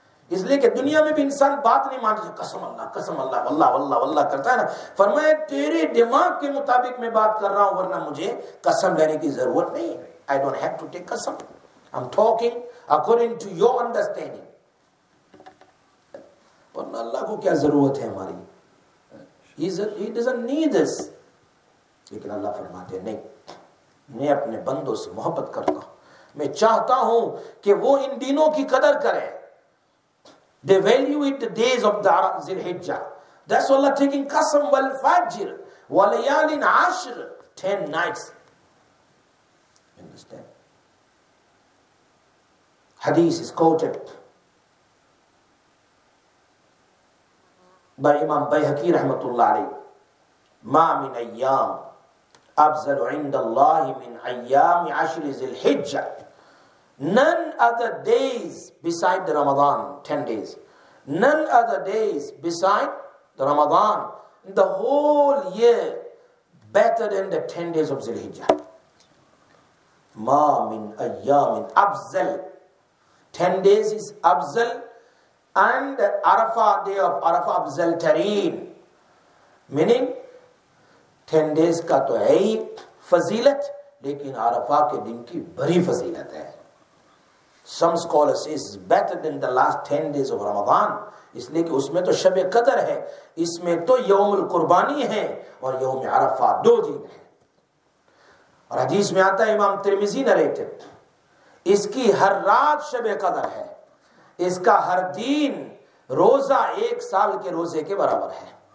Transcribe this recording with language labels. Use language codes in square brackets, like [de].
[ur] اس لیے کہ دنیا میں بھی انسان بات نہیں مانتا, قسم اللہ قسم اللہ واللہ واللہ واللہ کرتا ہے نا. فرمایا تیرے دماغ کے مطابق میں بات کر رہا ہوں, ورنہ مجھے قسم لینے کی ضرورت نہیں. [en] I don't have to take قسم, I'm talking according to your understanding. [ur] ورنہ اللہ کو کیا ضرورت ہے ہماری, [en] he doesn't need this. [ur] لیکن اللہ فرماتے نہیں, میں اپنے بندوں سے محبت کرتا ہوں, میں چاہتا ہوں کہ وہ ان دنوں کی قدر کریں. [en] They value it the days of the Zilhijjah. That's why Allah taking qasam [ar] wal fajr wa layalin ashr, [en] 10 nights. Understand? Hadith is quoted by Imam Bayhaqi rahmatullah alayhi, [ar] ma min ayyam افضل عند الله من ايام عشر ذي الحجه, [en] none other days beside the ramadan, 10 days, none other days beside the ramadan the whole year better than the 10 days of zilhijja. [ar] ما من ايام افضل, [en] 10 days is افضل, and arafa day of arafa افضل ترین, meaning 10 days کا تو ہے ہی فضیلت, لیکن عرفہ کے دن کی بڑی فضیلت ہے. Some scholars say it's better than the last 10 days of Ramadan. [ur] اس لیے کہ اس میں تو شب قدر ہے, اس میں تو یوم القربانی ہے, اور یوم عرفہ دو دن ہے. اور حدیث میں آتا ہے امام ترمذی نریٹڈ, اس کی ہر رات شب قدر ہے, اس کا ہر دن روزہ ایک سال کے روزے کے برابر ہے.